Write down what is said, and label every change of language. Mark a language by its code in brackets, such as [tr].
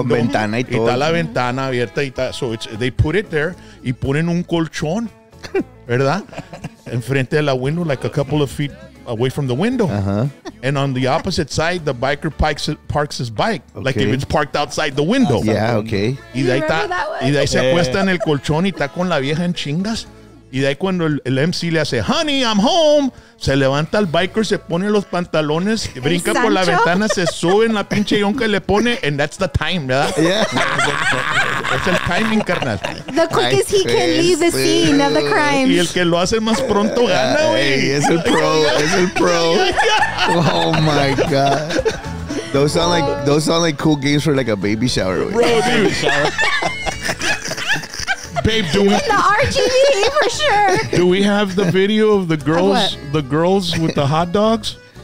[es] Con ventana y todo. Y está la ventana abierta y tal. [en] So they put it there [es] y ponen un colchón, ¿verdad? Enfrente de la [en] window, like a couple of feet away from the window. Uh-huh. And on the opposite side, the biker parks his bike. Okay. Like if it's parked outside the window. Yeah, okay. [es] Y de ahí está, y de ahí se acuesta en el colchón y está con la vieja en chingas. Y de ahí cuando el MC le hace, [en] honey, I'm home, [es] se levanta el biker, se pone los pantalones, brinca por la ventana, se sube en la pinche yonca y le pone, [en] and that's the time, [es] ¿verdad? [en] Yeah. [es] Es el timing, carnal. [en] The quickest he can leave the scene of the crime. [es] Y el que lo hace más pronto gana, güey. Hey, es el pro, es el pro. [en] Oh, my God. Those sound like cool games for like a baby shower. Bro, dude. Babe, do we, in the RGB for sure. Do we have the video of the girls with the hot dogs?